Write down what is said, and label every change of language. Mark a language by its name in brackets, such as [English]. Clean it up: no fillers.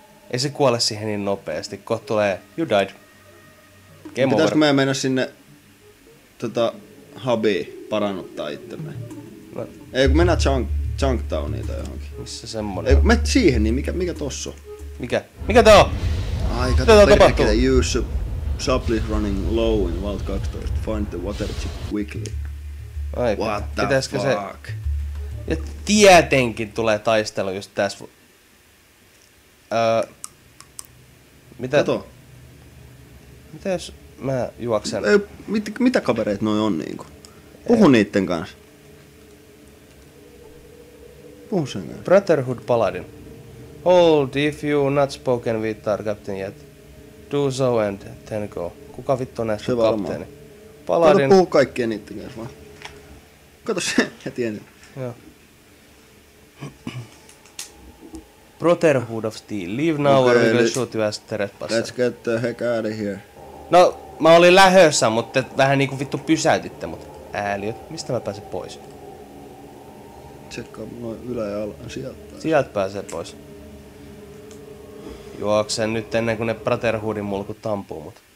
[Finnish] Ei se kuole siihen niin nopeesti. Kohta tulee, [English] you died. Game over. [Finnish] Pitäisikö meidän mennä sinne hubiin parannuttaa itsemme? No. Ei, kun mennään junk towniin tai johonkin. Missä semmonen? Ei, kun menet siihen, niin mikä tossa on? Mikä? Mikä tää on? Ai, katso perkele, Jussu. [English] Supply running low in Vault 12. Find the water chip quickly. Ai, what the fuck? Se... [Finnish] Ja tietenkin tulee taistelu just tässä. Mitä? Kato. Mitä jos mä juoksen? Mitä kavereita noi on niinku? Puhu niitten kanssa. Puhu sen kanssa. [English] Brotherhood Paladin. Hold if you not spoken with our captain yet. Do so and then go. [Finnish] Kuka vittu on näistä kapteeni? [English] Paladin... [Finnish] Kato, puhu kaikkien niitten kanssa vaan. Kato se heti ensin. Joo. [English] Brotherhood of Steel. Leave now okay, or we're gonna shoot you as trespasser. Let's get the heck out of here. [Finnish] No, mä olin lähössä, mutta vähän niinku vittu pysäytitte mut. Ääliöt, mistä mä pääsen pois? Tsekkaa noin ylä ja ala. Sieltä pääsee pois. Juoksen nyt ennen kuin ne Brotherhoodin mulkut tampuu mut.